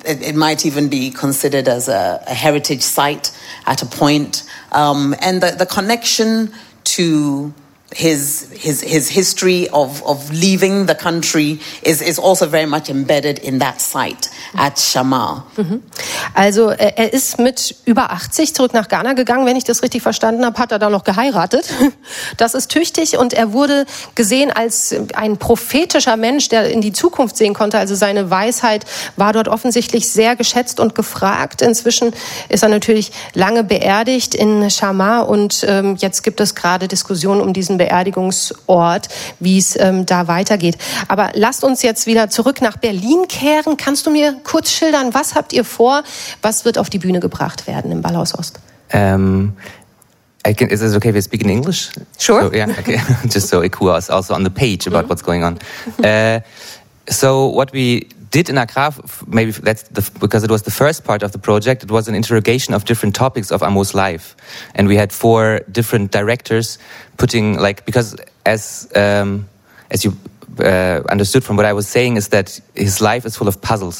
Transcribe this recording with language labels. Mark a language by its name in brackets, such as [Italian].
[English] It might even be considered as a heritage site at a point. And the connection to his history of leaving the country is also very much embedded in that site at Shammah. [German] Also er ist mit über 80 zurück nach Ghana gegangen, wenn ich das richtig verstanden habe, hat er da noch geheiratet. Das ist tüchtig und er wurde gesehen als ein prophetischer Mensch, der in die Zukunft sehen konnte. Also seine Weisheit war dort offensichtlich sehr geschätzt und gefragt. Inzwischen ist er natürlich lange beerdigt in Shammah und jetzt gibt es gerade Diskussionen um diesen Beerdigungsort, wie es da weitergeht. Aber lasst uns jetzt wieder zurück nach Berlin kehren. Kannst du mir kurz schildern, was habt ihr vor? Was wird auf die Bühne gebracht werden im Ballhaus Ost? [English] Is it okay if we speak in English? Sure. So, yeah, okay. Just so Ikua is also on the page about what's going on. So what we did in Agraf, maybe that's because it was the first part of the project, it was an interrogation of different topics of Amos' life. And we had four different directors putting, like, because as you understood from what I was saying, is that his life is full of puzzles.